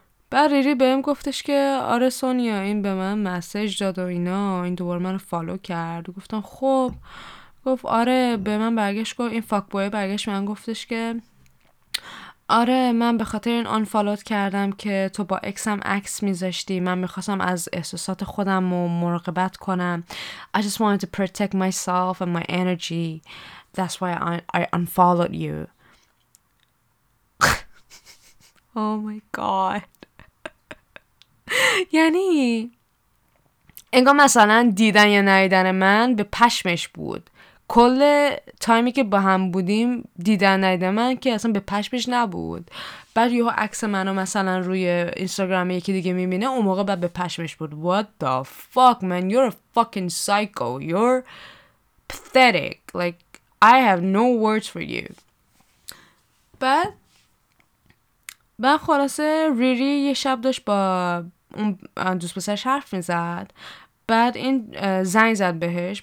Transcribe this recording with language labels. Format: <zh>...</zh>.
<fa>بعد ریری بهم گفتش که آره سونیا این به من مسیج داد و اینا، این دوباره من رو فالو کرد. گفتم خب. گفت آره، به من برگشت گفت، این فاک بوی برگشت من گفتش که آره من به خاطر این آن فالوت کردم که تو با اکسم عکس میذاشتی، من میخواستم از احساسات خودم رو مراقبت کنم.</fa> <en>I just wanted to protect myself and my energy. That's why I unfollowed you. Oh my god.</en> <fa>یعنی انگار مثلا دیدن یا ندیدن من به پشمش بود، کل تایمی که با هم بودیم دیدن ندیدن من که اصلا به پشمش نبود. بعد یه عکس منو مثلا روی اینستاگرام یکی دیگه میبینه، اون موقع بعد به پشمش بود.</fa> <en>What the fuck man, you're a fucking psycho, you're pathetic, like I have no words for you.</en> <fa>بعد من خلاصه ریری یه شب داشت با اون دوست پسرش حرف میزد، بعد این زنگ زد بهش.</fa>